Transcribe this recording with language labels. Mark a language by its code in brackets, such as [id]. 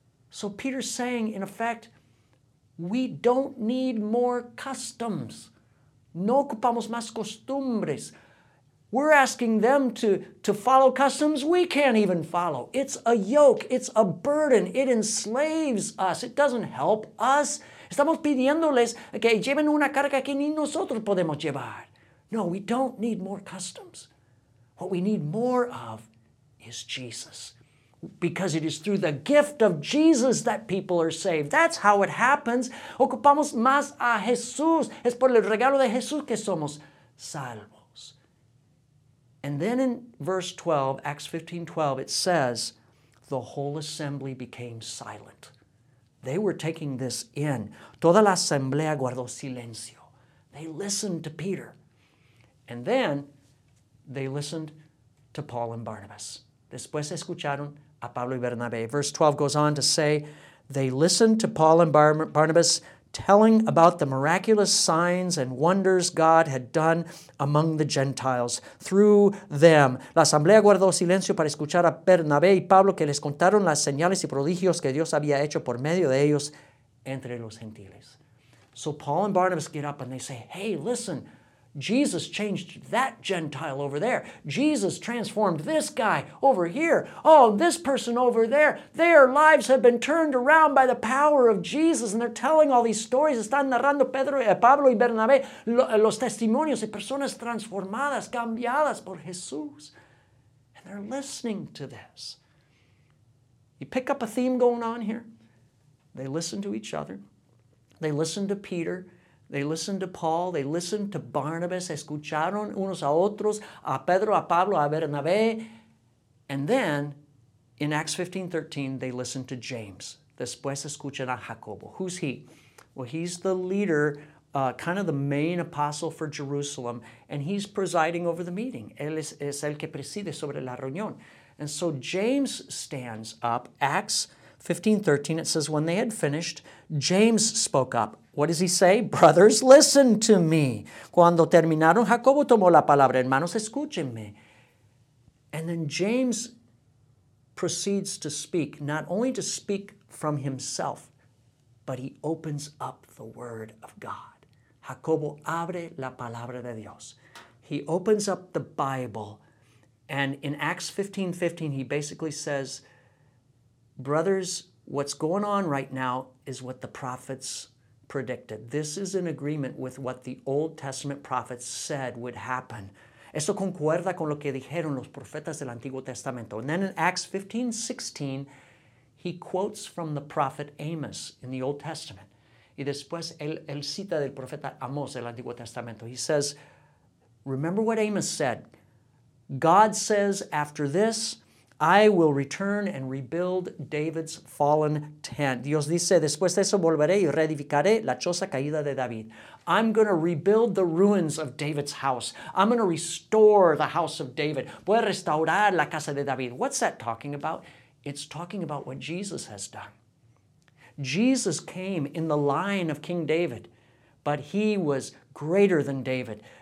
[en] So Peter's saying, in effect, we don't need more customs. [es] No ocupamos más costumbres. [en] We're asking them to follow customs we can't even follow. It's a yoke. It's a burden. It enslaves us. It doesn't help us. [es] Estamos pidiéndoles que lleven una carga que ni nosotros podemos llevar. [en] No, we don't need more customs. What we need more of is Jesus. Because it is through the gift of Jesus that people are saved. That's how it happens. [es] Ocupamos más a Jesús. Es por el regalo de Jesús que somos salvos. [en] And then in verse 12, Acts 15, 12, it says, the whole assembly became silent. They were taking this in. [es] Toda la asamblea guardó silencio. [en] They listened to Peter. And then they listened to Paul and Barnabas. [es] Después escucharon a Pablo y Bernabé. [en] Verse 12 goes on to say, they listened to Paul and Barnabas telling about the miraculous signs and wonders God had done among the Gentiles through them. [es] La asamblea guardó silencio para escuchar a Bernabé y Pablo que les contaron las señales y prodigios que Dios había hecho por medio de ellos entre los gentiles. [en] So Paul and Barnabas get up and they say, hey, listen, Jesus changed that Gentile over there. Jesus transformed this guy over here. Oh, this person over there. Their lives have been turned around by the power of Jesus. And they're telling all these stories. [es] Están narrando Pablo y Bernabé los testimonios de personas transformadas, cambiadas por Jesús. [en] And they're listening to this. You pick up a theme going on here. They listen to each other. They listen to Peter. They listened to Paul, they listened to Barnabas, [es] escucharon unos a otros, a Pedro, a Pablo, a Bernabé. [en] And then, in Acts 15, 13, they listened to James. [es] Después escuchan a Jacobo. [en] Who's he? Well, he's the leader, kind of the main apostle for Jerusalem, and he's presiding over the meeting. [es] Él es el que preside sobre la reunión. [en] And so James stands up, Acts 15, 13, it says, when they had finished, James spoke up. What does he say? Brothers, listen to me. [es] Cuando terminaron, Jacobo tomó la palabra. Hermanos, escúchenme. [en] And then James proceeds to speak, not only to speak from himself, but he opens up the word of God. [es] Jacobo abre la palabra de Dios. [en] He opens up the Bible. And in Acts 15, 15, he basically says, brothers, what's going on right now is what the prophets predicted. This is in agreement with what the Old Testament prophets said would happen. [es] Eso concuerda con lo que dijeron los profetas del Antiguo Testamento. [en] And then in Acts 15, 16, he quotes from the prophet Amos in the Old Testament. [es] Y después él cita del profeta Amós del Antiguo Testamento. [en] He says, remember what Amos said. God says, after this, I will return and rebuild David's fallen tent. [es] Dios dice, después de eso volveré y reedificaré la choza caída de David. [en] I'm going to rebuild the ruins of David's house. I'm going to restore the house of David. [es] Voy a restaurar la casa de David. [en] What's that talking about? It's talking about what Jesus has done. Jesus came in the line of King David, but he was greater than David.